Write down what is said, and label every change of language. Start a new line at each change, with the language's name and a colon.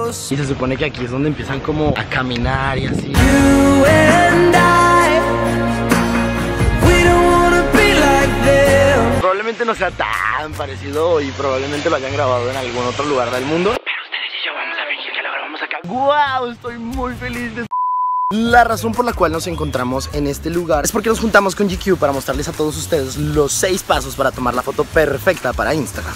Spanish: Y se supone que aquí es donde empiezan como a caminar y así.
English: You and I, we don't wanna be like them.
Spanish: Probablemente no sea tan parecido y probablemente lo hayan grabado en algún otro lugar del mundo. Pero ustedes y yo vamos a fingir que lo grabamos acá. Wow, estoy muy feliz de... La razón por la cual nos encontramos en este lugar es porque nos juntamos con GQ para mostrarles a todos ustedes los 6 pasos para tomar la foto perfecta para Instagram.